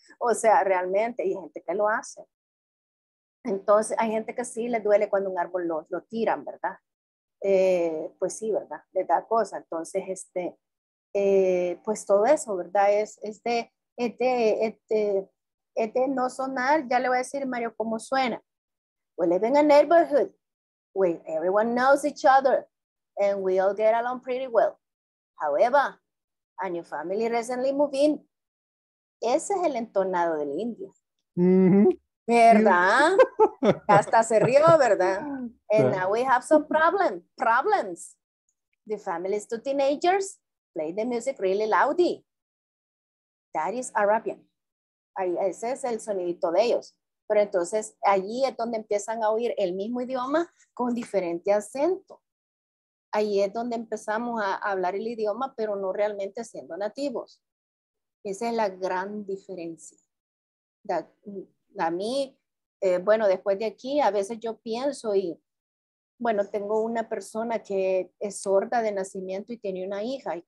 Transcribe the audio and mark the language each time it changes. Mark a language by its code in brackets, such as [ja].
[es] O sea, realmente, hay gente que lo hace. Entonces, hay gente que sí les duele cuando un árbol lo tiran, ¿verdad? Pues sí, ¿verdad? Les da cosa. Entonces, pues todo eso, ¿verdad? Es de no sonar, ya le voy a decir, Mario, cómo suena. [en] We live in a neighborhood where everyone knows each other and we all get along pretty well. However, a new family recently moved in. [es] Ese es el entonado del indio. Mm-hmm. ¿Verdad? Hasta se rió, ¿verdad? [en] And now we have some problems. The family's two teenagers play the music really loudly. That is Arabian. [es] Ese es el sonidito de ellos. Pero entonces allí es donde empiezan a oír el mismo idioma con diferente acento. Ahí es donde empezamos a hablar el idioma, pero no realmente siendo nativos. Esa es la gran diferencia. A mí, bueno, después de aquí, a veces yo pienso y, bueno, tengo una persona que es sorda de nacimiento y tiene una hija.